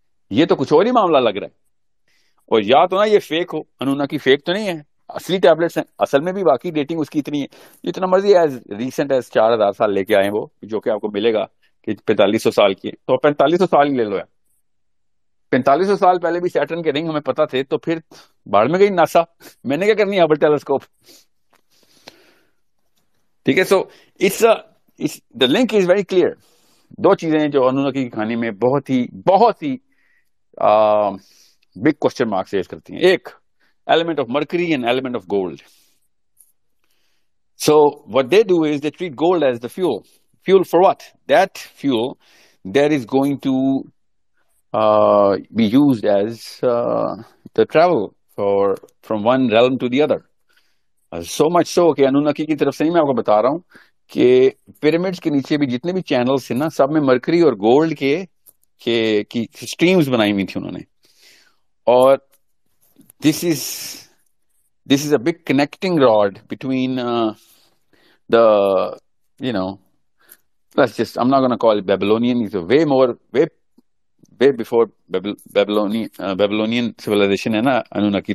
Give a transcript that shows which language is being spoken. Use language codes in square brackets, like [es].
[ur] یہ تو کچھ اور ہی معاملہ لگ رہا ہے, اور یا تو نا یہ فیک ہو, انوناکی فیک تو نہیں ہے, اصلی ٹیبلٹس ہیں, اصل میں بھی باقی ڈیٹنگ اس کی اتنی ہے, جتنا مرضی ایز ریسنٹ ایز 4,000 سال لے کے آئے ہیں وہ, جو کہ آپ کو ملے گا کہ 4,500 سال کی ہے, تو 4,500 سال ہی لے لو یار, 4,500 سال پہلے بھی سیٹرن کے رنگ ہمیں پتا تھے, تو پھر باڑ میں گئی ناسا, میں نے کیا کرنی ہے ہبل ٹیلیسکوپ؟ ٹھیک ہے, [en] So it's the link is very clear. [ur] دو چیزیں جو انوناکی کی کہانی میں بہت ہی بگ کوشچن مارکس ریز کرتی ہیں, ایک element of mercury and element of gold. [en] So what they do is they treat gold as the fuel, fuel for what? That fuel there is going to be used as the travel for from one realm to the other. [ur] سو مچ سو کہ انوناکی کی طرف سے ہی میں آپ کو بتا رہا ہوں کہ پیرامڈز کے نیچے بھی جتنے بھی چینلز ہیں نا, سب میں مرکری اور گولڈ کے سٹریمز بنائی ہوئی تھی انہوں نے. [en] اور this is a big connecting rod between the, you know, let's just, I am not gonna call it Babylonian, it's way more way before Babylonian civilization ہے نا Anunnaki.